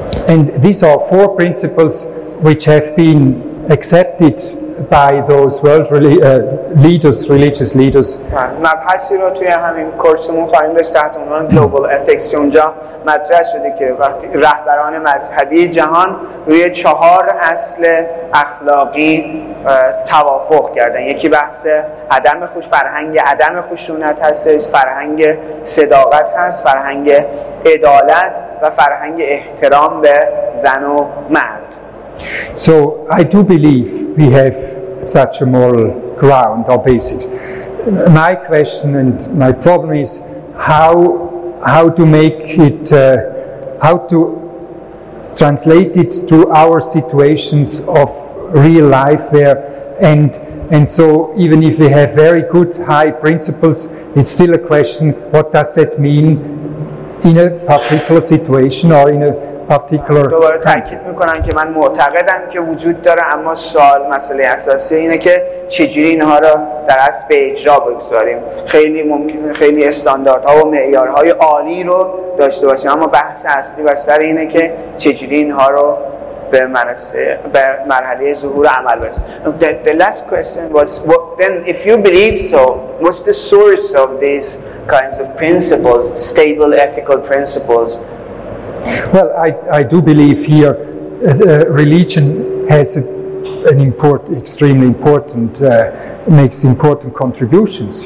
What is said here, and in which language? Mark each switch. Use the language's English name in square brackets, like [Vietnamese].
[English] And these are four principles which have been accepted by those world religious leaders. [Persian] مبحثی رو توی همین کورسمون خواهیم داشت تحت عنوان Global Ethics. اونجا مطرح شده که وقتی رهبران مذهبی جهان روی چهار اصل اخلاقی توافق کردن، یکی بحث عدم خشونت هستش، فرهنگ صداقت هست، فرهنگ عدالت و فرهنگ احترام به زن و مرد. [English] So I do believe we have such a moral ground or basis. My question and my problem is how to make it, how to translate it to our situations of real life where, and so even if we have very good high principles, it's still a question, what does that mean in a particular situation or in a particular. [Persian] دوباره تاکید میکنم که من معتقدم که وجود داره، اما سوال مسئله اساسی اینه که چجوری اینها را در اصل به اجرا بگذاریم. خیلی ممکنه خیلی استانداردها و معیارهای عالی رو داشته باشیم، اما بحث اصلی بر سر اینه که چجوری اینها را به مرحله ظهور عمل برسونیم. [English] The last question was, then if you believe so, what's the source of these kinds of principles, stable ethical principles? Well, I do believe here religion has an important, extremely important, makes important contributions.